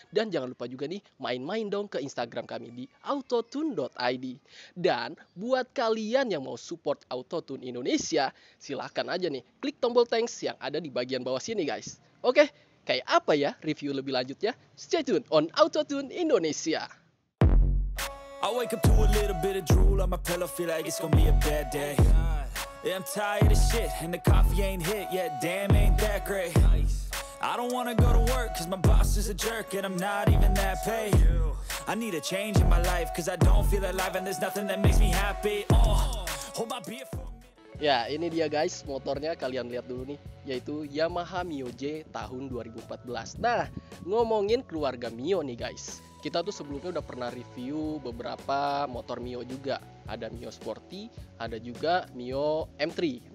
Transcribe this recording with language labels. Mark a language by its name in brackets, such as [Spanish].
[Indonesian] Dan jangan lupa juga nih main-main dong ke Instagram kami di autotune.id. Dan buat kalian yang mau support Autotune Indonesia, silakan aja nih klik tombol thanks yang ada di bagian bawah sini guys. Oke, kayak apa ya review lebih lanjutnya? [English] Stay tuned on Autotune Indonesia. I wake up to a little bit of drool on my pillow, feel like it's gonna be a bad day. Yeah, I'm tired of shit and the coffee ain't hit yet, damn ain't that great. I don't wanna go to work cause my boss is a jerk and I'm not even that paid. I need a change in my life cause I don't feel alive and there's nothing that makes me happy. Oh, hold my beer for me. [Indonesian] Ya, ini dia guys, motornya kalian lihat dulu nih, yaitu Yamaha Mio J tahun 2014. Nah, ngomongin keluarga Mio nih guys, kita tuh sebelumnya udah pernah review beberapa motor Mio juga. Ada Mio Sporty, ada juga Mio M3.